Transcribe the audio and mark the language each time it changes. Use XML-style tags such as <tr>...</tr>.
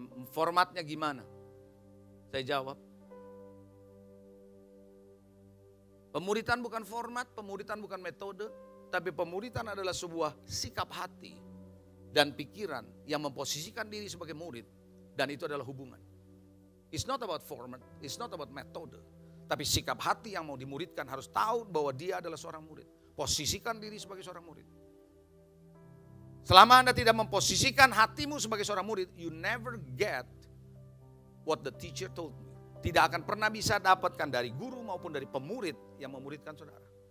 <id>Formatnya gimana? Saya jawab, pemuridan bukan format, pemuridan bukan metode, tapi pemuridan adalah sebuah sikap hati dan pikiran yang memposisikan diri sebagai murid, dan itu adalah hubungan.</id> <en>It's not about format, it's not about metode.</en> <id>Tapi sikap hati yang mau dimuridkan harus tahu bahwa dia adalah seorang murid. Posisikan diri sebagai seorang murid. Selama Anda tidak memposisikan hatimu sebagai seorang murid,</id> <en>you never get what the teacher told you.</en> <id>tidak akan pernah bisa dapatkan dari guru maupun dari pemurid yang memuridkan saudara.</id>